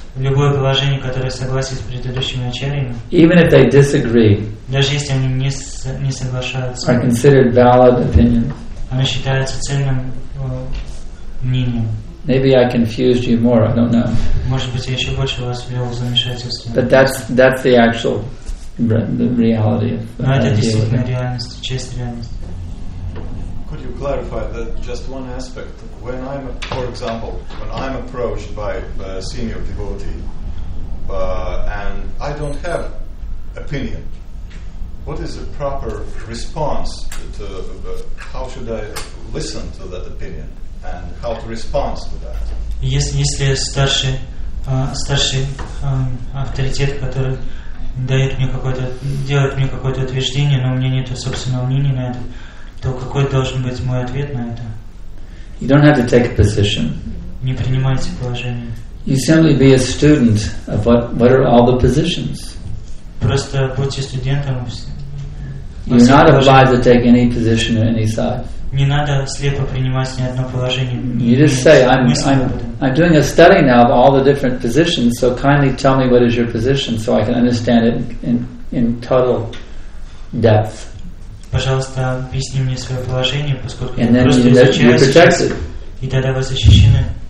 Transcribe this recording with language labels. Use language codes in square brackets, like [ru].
[ru] любое положение, которое согласие с предыдущими ачарьями, [en] even if they disagree, [ru] даже если они не соглашаются, [en] are considered valid opinions. [ru] Они считаются ценным мнением. [en] Maybe I confused you more, I don't know. [ru] Может быть, я еще больше вас ввел в замешательство. [en] But that's the actual the reality. [ru] Но это действительно реальность, честь реальность. [en] Could you clarify that just one aspect? When I'm, for example, when I'm approached by a senior devotee and I don't have opinion, what is the proper response to how should I listen to that opinion and how to respond to that? [ru] Если старший авторитет, который дает мне какое-то, делает мне какое-то утверждение, но у меня нет собственного мнения на это, то какой должен быть мой ответ на это? [en] You don't have to take a position. [ru] Не принимайте положение. [en] You simply be a student of what are all the positions. [ru] Просто будьте студентом. [en] You're not obliged to take any position or any side. [ru] Не надо слепо принимать ни одно положение. [en] You just say, I'm doing a study now of all the different positions, so kindly tell me what is your position so I can understand it in total depth. [ru] Пожалуйста, объясни мне свое положение, поскольку [en] and [ru] вы просто изучаете, и тогда вы защищены.